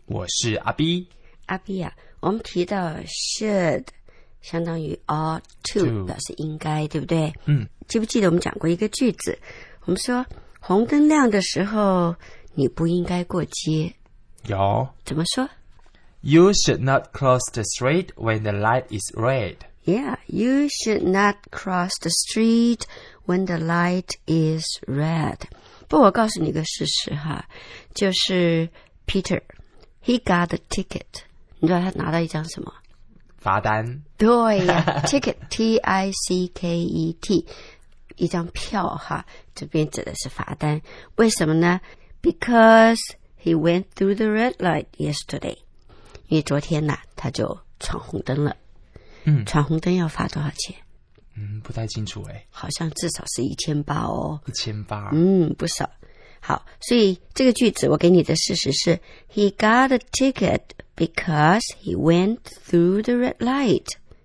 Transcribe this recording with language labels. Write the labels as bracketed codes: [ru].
[zh] 我是阿 B。阿 B 啊，我们提到 should 相当于 ought to 表示应该，对不对？嗯。记不记得我们讲过一个句子？我们说红灯亮的时候，你不应该过街。有。怎么说 [en] ？You should not cross the street when the light is red. Yeah, you should not cross the street when the light is red. [zh] 不，我告诉你一个事实哈，就是 Peter, [en] he got a ticket. [zh] 你知道他拿到一张什么？罚单。对呀，ticket, T-I-C-K-E-T, 一张票哈，这边指的是罚单。为什么呢 [en] ？Because he went through the red light yesterday. [zh] 因为昨天呢、啊，他就闯红灯了。嗯，闯红灯要罚多少钱？嗯，不太清楚哎。好像至少是1800哦。 1800。嗯，不少。好，所以这个句子我给你的事实是 ， [en] He got a ticket. Because he went through the red light.